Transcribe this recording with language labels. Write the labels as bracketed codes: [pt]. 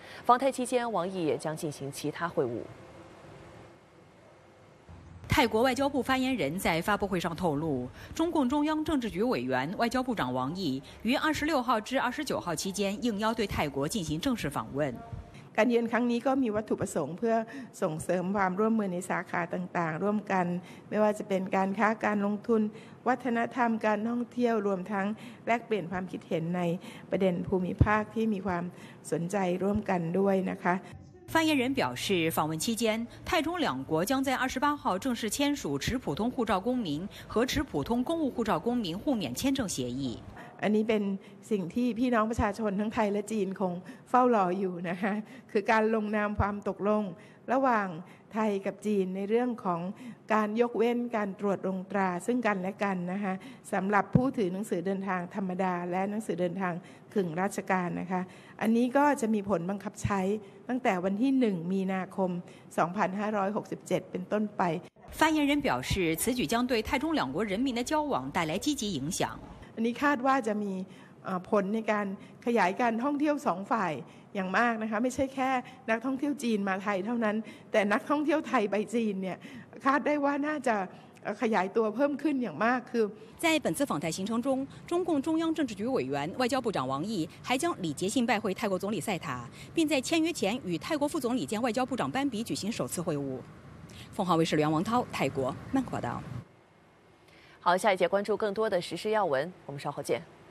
[zh] 访泰期间，王毅也将进行其他会晤。泰国外交部发言人在发布会上透露，中共中央政治局委员、外交部长王毅于26号至29号期间应邀对泰国进行正式访问。 [th] การเยือนครั้งนี้ก็มีวัตถุประสงค์เพื่อส่งเสริมความร่วมมือในสาขาต่างๆร่วมกันไม่ว่าจะเป็นการค้าการลงทุนวัฒนธรรมการท่องเที่ยวรวมทั้งแลกเปลี่ยนความคิดเห็นในประเด็นภูมิภาคที่มีความสนใจร่วมกันด้วยนะคะ。 [zh] 发言人表示，访问期间，泰中两国将在28号正式签署持普通护照公民和持普通公务护照公民互免签证协议。 [th] อันนี้เป็นสิ่งที่พี่น้องประชาชนทั้งไทยและจีนคงเฝ้ารออยู่นะคะคือการลงนามความตกลงระหว่างไทยกับจีนในเรื่องของการยกเว้นการตรวจโรงตราซึ่งกันและกันนะคะสำหรับผู้ถือหนังสือเดินทางธรรมดาและหนังสือเดินทางกึ่งราชการนะคะอันนี้ก็จะมีผลบังคับใช้ตั้งแต่วันที่1 มีนาคม 2567เป็นต้นไป [zh] 发言人表示此举将对泰中两国人民的交往带来积极影响 [th] อันนี้คาดว่าจะมีผลในการขยายการท่องเที่ยว2 ฝ่ายอย่างมากนะคะไม่ใช่แค่นักท่องเที่ยวจีนมาไทยเท่านั้นแต่นักท่องเที่ยวไทยไปจีนเนี่ยคาดได้ว่าน่าจะขยายตัวเพิ่มขึ้นอย่างมากคือ [zh] 在本次访台行程中，中共中央政治局委员、外交部长王毅还将礼节性拜会泰国总理赛塔，并在签约前与泰国副总理兼外交部长班比举行首次会晤。凤凰卫视梁王涛，泰国曼谷报道。好，下一节关注更多的时事要闻，我们稍后见。